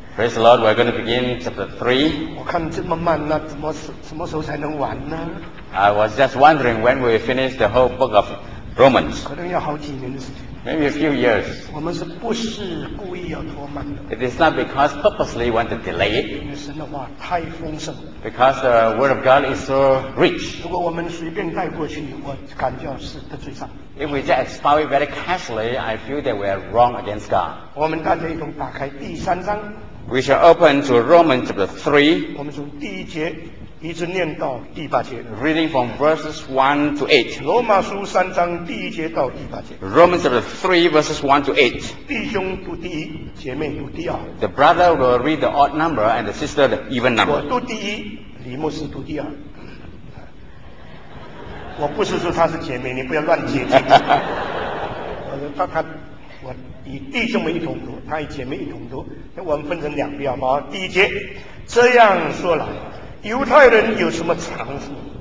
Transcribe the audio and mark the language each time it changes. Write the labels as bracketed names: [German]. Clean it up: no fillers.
[English] Praise the Lord, we're going to begin chapter 3. [Chinese] 我看这么慢，那怎么什么时候才能完呢？ [English] I was just wondering when we finish the whole book of Romans. [Chinese] 可能要好几年的时间。 [English] Maybe a few years. [Chinese] 我们是不是故意要拖慢的？ [English] It is not because purposely want to delay it. [Chinese] 因为神的话太丰盛。 [English] Because the word of God is so rich. [Chinese] 如果我们随便带过去，我感觉是得罪上帝。 [English] If we just expound it very casually, I feel that we are wrong against God. [Chinese] 我们大家一同打开第三章。 [English] We shall open to Romans chapter 3. [Chinese] 我们从第一节一直念到第八节。 [English] Reading from verses 1 to 8. [Chinese] 罗马书三章第一节到第八节。 [English] Romans chapter 3 verses 1 to 8. [Chinese] 弟兄读第一，姐妹读第二。 [English] The brother will read the odd number and the sister the even number. [Chinese] 我读第一，李牧师读第二。我不是说她是姐妹，你不要乱解读。我说她，我以弟兄们一同读，她以姐妹一同读。那我们分成两边，好不好？第一节，这样说来，犹太人有什么长处？